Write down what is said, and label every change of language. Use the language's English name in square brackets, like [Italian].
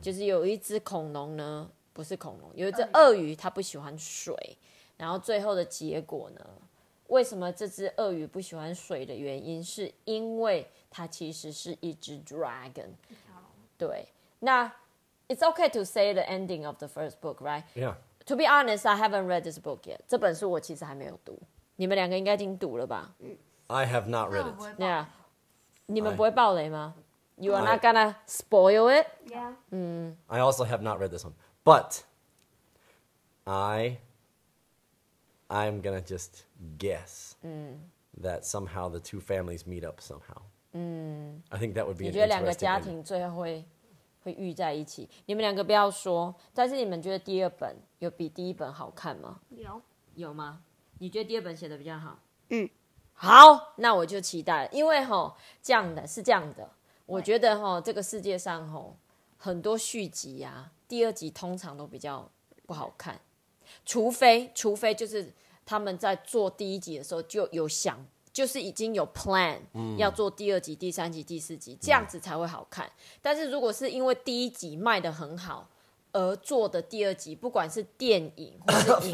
[Chinese] 就是有一只恐龙呢, 不是恐龙, 有一只鳄鱼, 它不喜欢水, 然后最后的结果呢, 为什么这只鳄鱼不喜欢水的原因, 是因为它其实是一只dragon. [English] 对, 那, it's okay to say the ending of the first book, right? Yeah. To be honest, I haven't read this book yet. [Chinese] 这本书我其实还没有读。你们两个应该已经读了吧? [English] I have not read it. Yeah. [Chinese] 你们不会爆雷吗? [English] You are not gonna spoil it? Yeah. I also have not read this one. But I'm gonna just guess that somehow the two families meet up somehow. I think that would be an interesting ending. [Chinese] 你觉得两个家庭最后会遇在一起?你们两个不要说, 但是你们觉得第二本有比第一本好看吗? 有。有吗? 你觉得第二本写的比较好? 嗯。好,那我就期待了, 因为齁,这样的,是这样的, 我觉得齁,这个世界上齁, 很多续集啊, 第二集通常都比较不好看, 除非就是他们在做第一集的时候, 就有想, 就是已经有plan, 要做第二集,第三集,第四集, 这样子才会好看, 但是如果是因为第一集卖得很好, 而做的第二集, 不管是电影, 或是影,